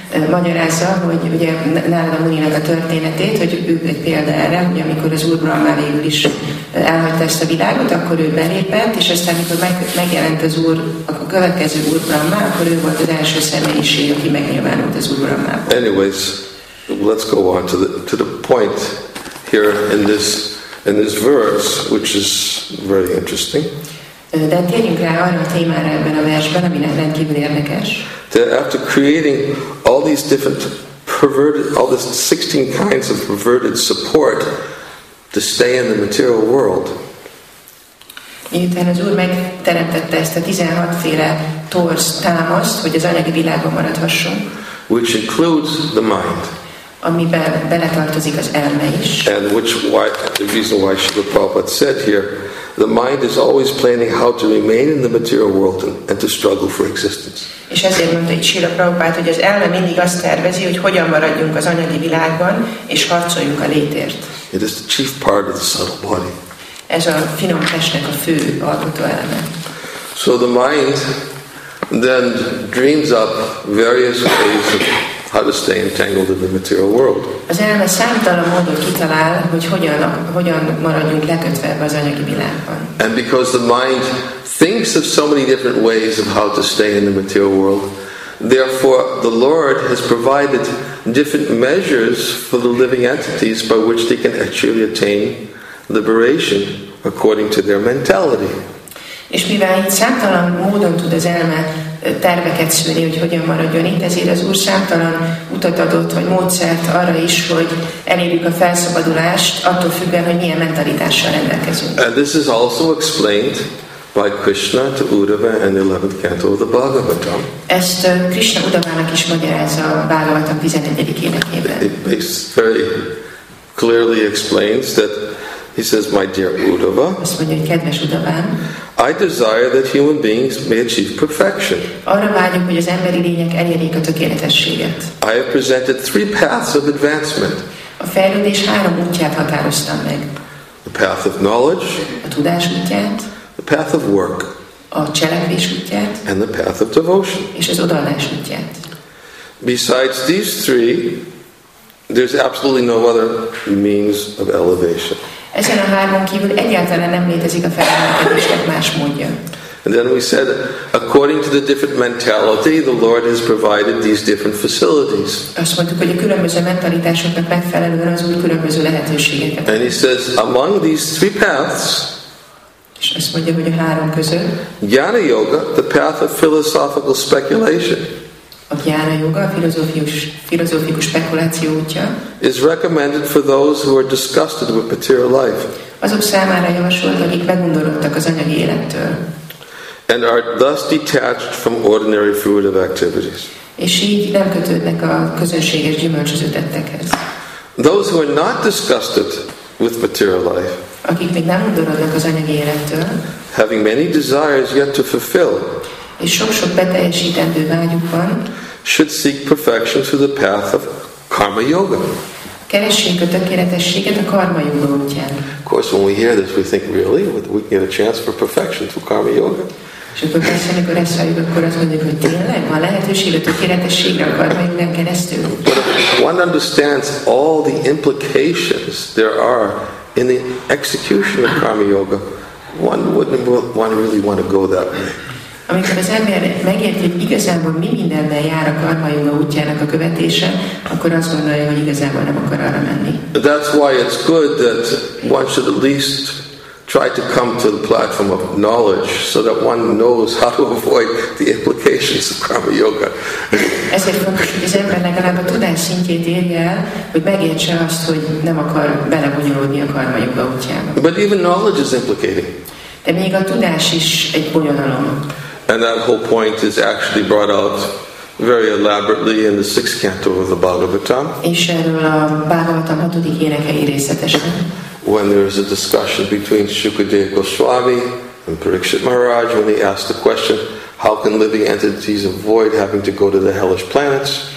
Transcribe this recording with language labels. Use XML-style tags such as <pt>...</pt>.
<hu>Magyarázza, hogy ugye Narada Muninak a történetét, hogy ő egy példa erre, hogy amikor az Úr Brahmá végül is elhagyta ezt a világot, akkor ő belépett, és aztán amikor megjelent az Úr, a következő Úr Brahmá, akkor ő volt az első személyiség, aki megnyilvánult az Úr Brahmából.</hu> <en>Anyways, let's go on to the point here in this verse, which is very interesting.</en> <hu>De térjünk rá arra a témára ebben a versben, ami rendkívül érdekes.</hu> <en>That after creating all these different perverted, all the 16 kinds of perverted support to stay in the material world.</en> <hu>Miután az Úr megteremtette ezt a 16 féle torz támaszt, hogy az anyagi világban maradhasson.</hu> <en>Which includes the mind.</en> <hu>Amiben beletartozik az elme is.</hu> <en>And the reason why Srila Prabhupada said here, the mind is always planning how to remain in the material world and to struggle for existence.</en> <hu>És ezért mondta itt Srila Prabhupada, hogy az elme mindig azt tervezi, hogy hogyan maradjunk az anyagi világban, és harcoljunk a létért.</hu> <en>It is the chief part of the subtle body.</en> <hu>Ez a finom testnek a fő alkotó eleme.</hu> <en>So the mind then dreams up various ways of how to stay entangled in the material world.</en> <hu>Az elme számtalan módon kitalál, hogy hogyan maradjunk lekötve az anyagi világban.</hu> <en>And because the mind thinks of so many different ways of how to stay in the material world, therefore the Lord has provided different measures for the living entities by which they can actually attain liberation according to their mentality.</en> <hu>És mivel itt számtalan módon tud az elme terveket szülni, hogy hogyan maradjon itt, ezért az Úr számtalan utat adott, vagy módszert arra is, hogy elérjük a felszabadulást, attól függően, hogy milyen mentalitással rendelkezünk.</hu> <en>And this is also explained by Krishna to Uddhava in the 11th canto of the Bhagavatam.</en> <hu>Ezt Krishna Uddhavának is magyarázza a Bhagavatam 11. énekében.</hu> <en>It very clearly explains that he says, my dear Uddhava,</en> <hu>azt mondja, hogy kedves Uddhavám,</hu> <en>I desire that human beings may achieve perfection.</en> <hu>Arra vágyunk, hogy az emberi lények elérjék a tökéletességet.</hu> <en>I have presented three paths of advancement.</en> <hu>A fejlődés három útját határoztam meg.</hu> <en>The path of knowledge,</en> <hu>a tudás útját,</hu> <en>the path of work,</en> <hu>a cselekvés útját,</hu> <en>and the path of devotion,</en> <hu>és az odaadás útját.</hu> <en>Besides these three, there's absolutely no other means of elevation.</en> <hu>Ezen a hármon kívül egyáltalán nem létezik a felemelkedésnek más módja.</hu> <en>And then we said, according to the different mentality, the Lord has provided these different facilities.</en> <hu>Azt mondtuk, hogy a különböző mentalitásoknak megfelelően az Úr különböző lehetőségeket.</hu> <en>And he says, among these three paths,</en> <hu>és azt mondja, hogy a három között,</hu> <en>Jnana Yoga, the path of philosophical speculation,</en> <hu>a Jnana Yoga, a filozófikus spekuláció útja,</hu> <en>is recommended for those who are disgusted with material life,</en> <hu>azok számára javasolt, akik megundorodtak az anyagi élettől,</hu> <en>and are thus detached from ordinary fruitive activities,</en> <hu>és így nem kötődnek a közönséges gyümölcsöző tettekhez.</hu> <en>Those who are not disgusted with material life,</en> <hu>akik még nem undorodnak az anyagi élettől,</hu> <en>having many desires yet to fulfill,</en> <hu>és sok-sok beteljesítendő vágyuk van,</hu> <en>should seek perfection through the path of karma yoga.</en> <hu>Keressék a tökéletességet a karma yoga útján.</hu> <en>Of course, when we hear this, we think, really, we get a chance for perfection through karma yoga.</en> <hu>És akkor persze, amikor ezt halljuk, akkor azt mondjuk, hogy tényleg van lehetőség a tökéletességre a karma yogán keresztül.</hu> <en>But one understands all the implications there are in the execution of karma yoga, one wouldn't really want to go that way.</en> <hu>Amikor az ember megérti, hogy igazából mi mindennel jár a karma joga útjának a követése, akkor azt gondolja, hogy igazából nem akar arra menni.</hu> <en>That's why it's good that one should at least try to come to the platform of knowledge so that one knows how to avoid the implications of karma yoga.</en> <hu>Ezért fontos, hogy az ember legalább a tudás szintjét érje el, hogy megértse azt, hogy nem akar belebonyolódni a karma joga útjának.</hu> <en>But even knowledge is implicating.</en> <hu>De még a tudás is egy bonyolalom.</hu> <en>And that whole point is actually brought out very elaborately in the sixth canto of the Bhagavatam.</en> <hu>És erről a Bhagavatam hatodik énekei részletesen.</hu> <en>When there is a discussion between Shukadeva Goswami and Parikshit Maharaj, when he asked the question, how can living entities avoid having to go to the hellish planets?</en>